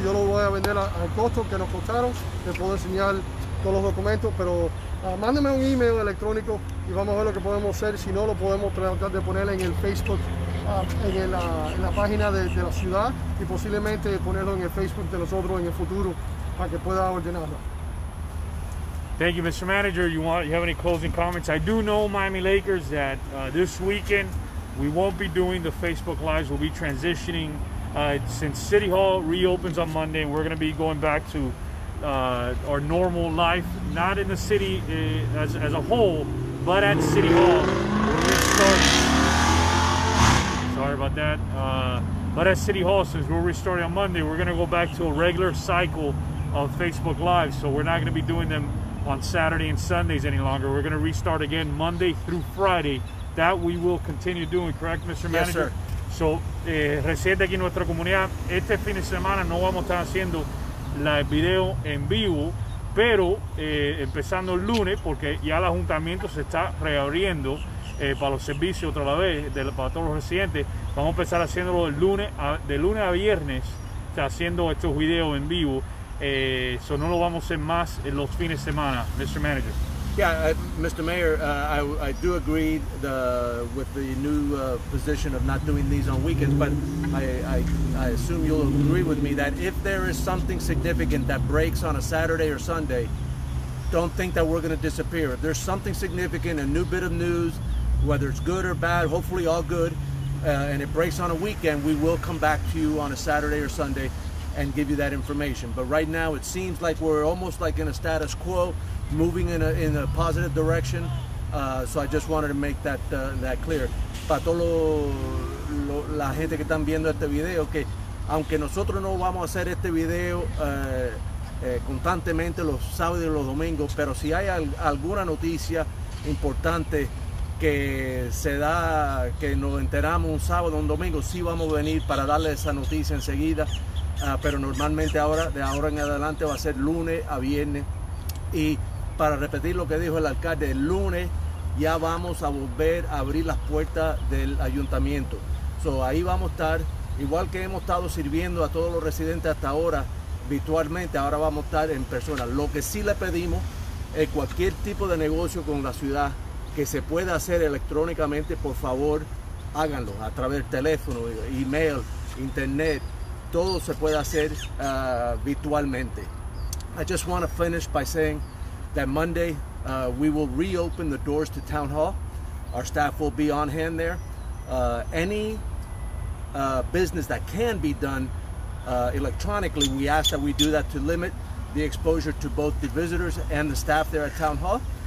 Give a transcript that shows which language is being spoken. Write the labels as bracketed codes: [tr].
[es] Yo lo voy a vender al costo que nos costaron. Les puedo enseñar todos los documentos, pero mándame un email electrónico y vamos a ver lo que podemos hacer. Si no, lo podemos tratar de poner en el Facebook, en la página de la ciudad, y posiblemente ponerlo en el Facebook de nosotros en el futuro para que pueda ordenarlo. [en] Thank you, Mr. Manager. You have any closing comments? I do know, Miami Lakers, that this weekend we won't be doing the Facebook Lives. We'll be transitioning since City Hall reopens on Monday. We're going to be going back to our normal life, not in the city as a whole, but at City Hall. But at City Hall, since we're restarting on Monday, we're going to go back to a regular cycle of Facebook Lives. So we're not going to be doing them on Saturday and Sundays any longer. We're going to restart again Monday through Friday. That we will continue doing, correct, Mr. Yes, Manager? Sir. [es] So, residente aquí en nuestra comunidad, este fin de semana no vamos a estar haciendo la video en vivo, pero empezando el lunes, porque ya el ayuntamiento se está reabriendo para los servicios otra vez, para todos los residentes, vamos a empezar haciéndolo de lunes a viernes, haciendo estos videos en vivo. So no lo vamos a hacer más en los fines de semana, Mr. [en] Manager. Yeah, Mr. Mayor, I do agree with the new position of not doing these on weekends, but I assume you'll agree with me that if there is something significant that breaks on a Saturday or Sunday, don't think that we're going to disappear. If there's something significant, a new bit of news, whether it's good or bad, hopefully all good, and it breaks on a weekend, we will come back to you on a Saturday or Sunday and give you that information. But right now it seems like we're almost like in a status quo, moving in a positive direction. So I just wanted to make that clear. [es] Para todo la gente que están viendo este video, que aunque nosotros no vamos a hacer este video constantemente los sábados y los domingos, pero si hay alguna noticia importante que se da, que nos enteramos un sábado, un domingo, sí vamos a venir para darle esa noticia enseguida, pero normalmente ahora, de ahora en adelante, va a ser lunes a viernes. Y para repetir lo que dijo el alcalde, el lunes ya vamos a volver a abrir las puertas del ayuntamiento. So, ahí vamos a estar, igual que hemos estado sirviendo a todos los residentes hasta ahora, virtualmente, ahora vamos a estar en persona. Lo que sí le pedimos es cualquier tipo de negocio con la ciudad que se pueda hacer electrónicamente, por favor, háganlo a través del teléfono, email, internet, todo se puede hacer virtualmente. [en] I just want to finish by saying that Monday we will reopen the doors to Town Hall. Our staff will be on hand there. Any business that can be done electronically, we ask that we do that to limit the exposure to both the visitors and the staff there at Town Hall.